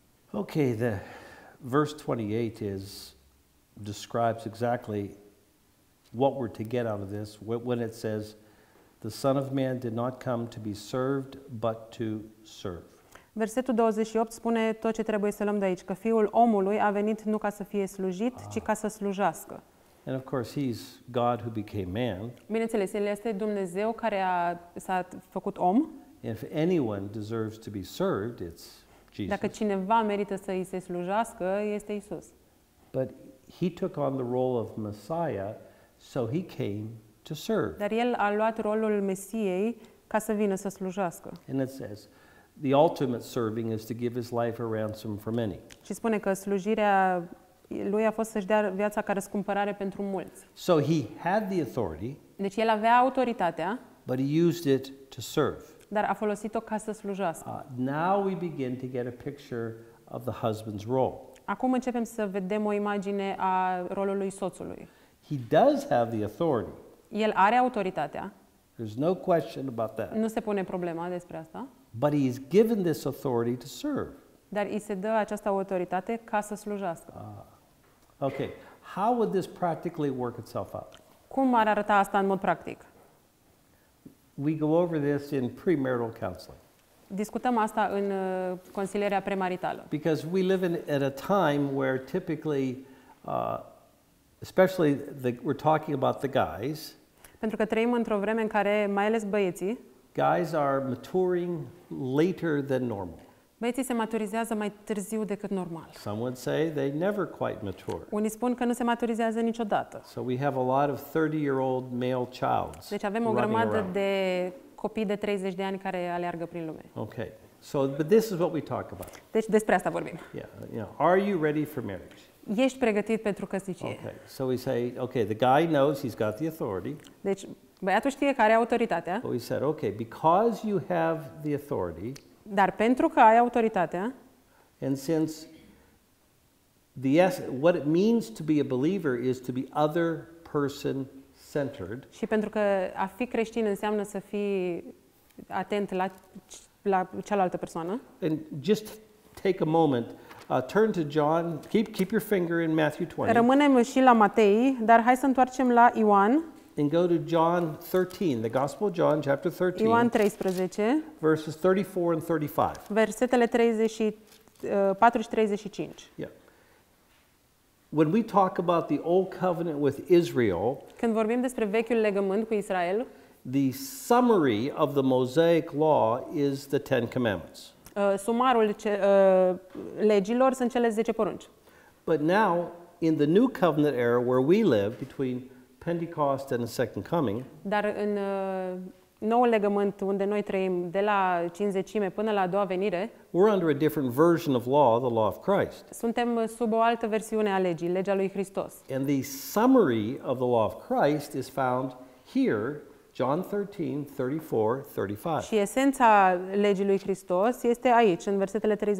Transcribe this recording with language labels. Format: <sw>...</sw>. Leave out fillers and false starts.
<en>Okay, the verse 28 describes exactly what we're to get out of this when it says the Son of Man did not come to be served but to serve.</en> <ro>Versetul 28 spune tot ce trebuie să luăm de aici, că Fiul omului a venit nu ca să fie slujit, ci ca să slujească.</ro> <en>And of course he's God who became man.</en> <ro>Bineînțeles, el este Dumnezeu care s-a făcut om.</ro> <en>If anyone deserves to be served, it's Jesus.</en> <ro>Dacă cineva merită să îi se slujească, este Isus.</ro> <en>But he took on the role of Messiah, so he came to serve.</en> <ro>Dar el a luat rolul Mesiei ca să vină să slujească.</ro> <en>And it says, the ultimate serving is to give his life a ransom for many.</en> <ro>Și spune că slujirea lui a fost să-și dea viața ca răscumpărare pentru mulți.</ro> <en>So he had the authority.</en> <ro>Deci el avea autoritatea.</ro> <en>But he used it to serve.</en> <ro>Dar a folosit-o ca să slujească.</ro> <en>Now we begin to get a picture of the husband's role.</en> <ro>Acum începem să vedem o imagine a rolului soțului.</ro> <en>He does have the authority.</en> <ro>El are autoritatea.</ro> <en>There's no question about that.</en> <ro>Nu se pune problema despre asta.</ro> <en>But he is given this authority to serve.</en> <ro>Dar îi se dă această autoritate ca să slujească.</ro> <en>Okay. How would this practically work itself out?</en> <ro>Cum ar arăta asta în mod practic?</ro> <en>We go over this in premarital counseling.</en> <ro>Discutăm asta în consilierea premaritală.</ro> <en>Because we live at a time where typically, especially we're talking about the guys.</en> <ro>Pentru că trăim într-o vreme în care mai ales băieții.</ro> <en>Guys are maturing later than normal.</en> <ro>Băieții se maturizează mai târziu decât normal.</ro> <en>Some would say they never quite mature.</en> <ro>Unii spun că nu se maturizează niciodată.</ro> <en>So we have a lot of 30-year-old male childs.</en> <ro>Deci avem o grămadă de copii de 30 de ani care aleargă prin lume.</ro> <en>Okay. So but this is what we talk about.</en> <ro>Deci despre asta vorbim.</ro> <en>Yeah, you know, are you ready for marriage?</en> <ro>Ești pregătit pentru căsnicie?</ro> <en>Okay. So we say, okay, the guy knows he's got the authority.</en> <ro>Deci băiatul știe că are autoritatea.</ro> <en>But we said, okay, because you have the authority.</en> <ro>Dar pentru că ai autoritatea.</ro> <en>And since what it means to be a believer is to be other person centered.</en> <ro>Și pentru că a fi creștin înseamnă să fii atent la cealaltă persoană.</ro> <en>And just take a moment, turn to John, keep your finger in Matthew 20.</en> <ro>Rămânem și la Matei, dar hai să întoarcem la Ioan.</ro> <en>And go to John 13, the Gospel of John, chapter 13.</en> <ro>Ioan 13.</ro> <en>Verses 34 and 35.</en> <ro>Versetele 34 și 35.</ro> <en>Yeah. When we talk about the old covenant with Israel,</en> <ro>când vorbim despre vechiul legământ cu Israel,</ro> <en>the summary of the Mosaic law is the Ten Commandments.</en> <ro>Sumarul legilor sunt cele 10 porunci.</ro> <en>But now, in the new covenant era where we live between Pentecost and the second coming.</en> <ro>Dar în noul legământ unde noi trăim de la cincizecime până la a doua venire.</ro> <en>We're under a different version of law, the law of Christ.</en> <ro>Suntem sub o altă versiune a legii, legea lui Hristos.</ro> <en>And the summary of the law of Christ is found here, John 13, 34, 35.</en> <ro>Și esența legii lui Hristos este aici, în versetele 34-35.</ro>